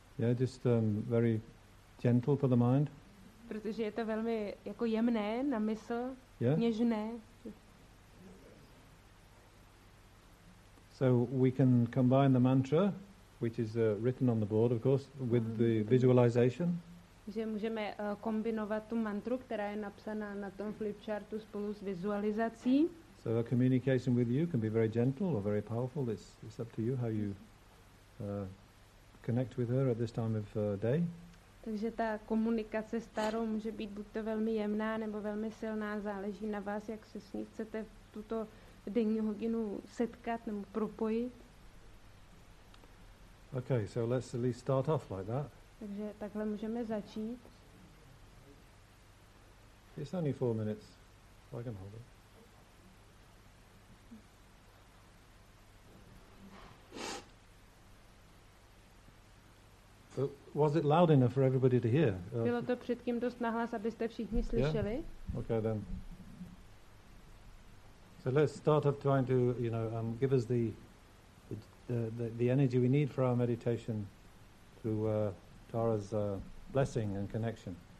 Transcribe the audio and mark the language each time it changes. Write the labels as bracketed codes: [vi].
[en] Yeah, just very gentle for the mind. [cs] Protože je to velmi jako jemné na mysl, yeah? Něžné. [en] So we can combine the mantra, which is written on the board, of course, with the visualization. [cs] Že můžeme kombinovat tu mantru, která je napsaná na tom flipchartu spolu s vizualizací. [en] So a communication with you can be very gentle or very powerful. It's up to you how you connect with her at this time of day. [cs] Takže ta komunikace s Tarou může být buď to velmi jemná nebo velmi silná, záleží na vás, jak se s ní chcete v tuto denní hodinu setkat nebo propojit. [en] Okay, so let's at least start off like that. [cs] Takže takhle můžeme začít. [en] It's only 4 minutes, so I can hold it. But was it loud enough for everybody to hear? [cs] Bylo to předtím dost nahlas, abyste všichni slyšeli? [en] Yeah? Okay then. So let's start up trying to, you know, give us the energy we need for our meditation through Tara's blessing and connection.